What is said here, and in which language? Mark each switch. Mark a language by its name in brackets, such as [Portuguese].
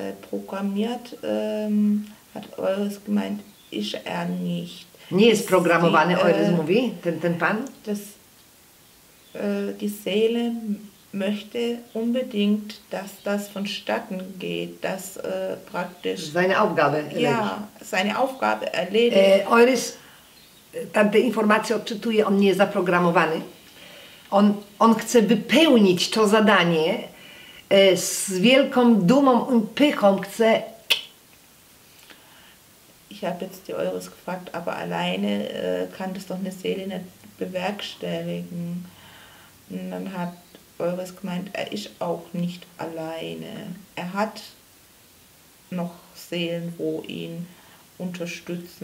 [German] programmiert hat Eures gemeint, ist er nicht. [Polish] Nie jest programowany, Eures mówi, ten pan? [German] Das, die Seele möchte unbedingt, dass das vonstatten geht, dass praktisch... Seine Aufgabe erledigt. Ja, seine Aufgabe erledigt. [Polish] Eures tamte informacje odczytuje, on nie jest zaprogramowany. On chce wypełnić to zadanie z wielką dumą i pychą, chce... [German] Ich habe jetzt die Eures gefragt, aber alleine kann das doch eine Seele nicht bewerkstelligen. Und dann hat Eures gemeint, er ist auch nicht alleine. Er hat noch Seelen, wo ihn unterstützen.